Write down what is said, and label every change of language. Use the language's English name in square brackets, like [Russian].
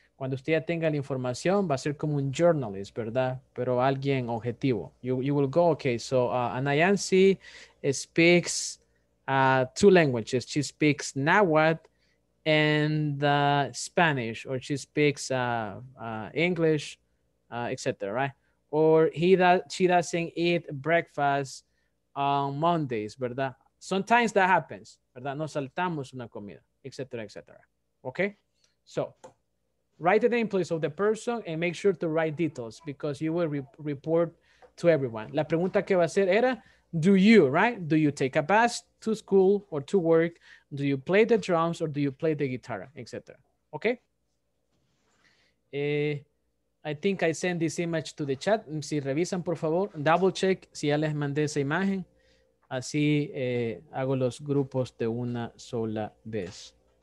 [Spanish] Cuando usted ya tenga la información, va a ser como un journalist, ¿verdad? Pero alguien objetivo. [English] You will go, okay, so Anayansi speaks 2 languages. She speaks Nahuatl and Spanish, or she speaks English, etc., right? Or she doesn't eat breakfast on Mondays, ¿verdad? Sometimes that happens, ¿verdad? [Spanish] Nos saltamos una comida, etc., etc., [English] okay? So, write the name, please, of the person, and make sure to write details, because you will report to everyone. [Spanish] La pregunta que va a hacer era, [English] do you, right? Do you take a bus to school or to work? Do you play the drums or do you play the guitar, etc.? Okay? I think I sent this image to the chat. [Spanish] Si revisan, por favor, [English] double check [Spanish] si ya les mandé esa imagen. Así hago los grupos de una sola vez.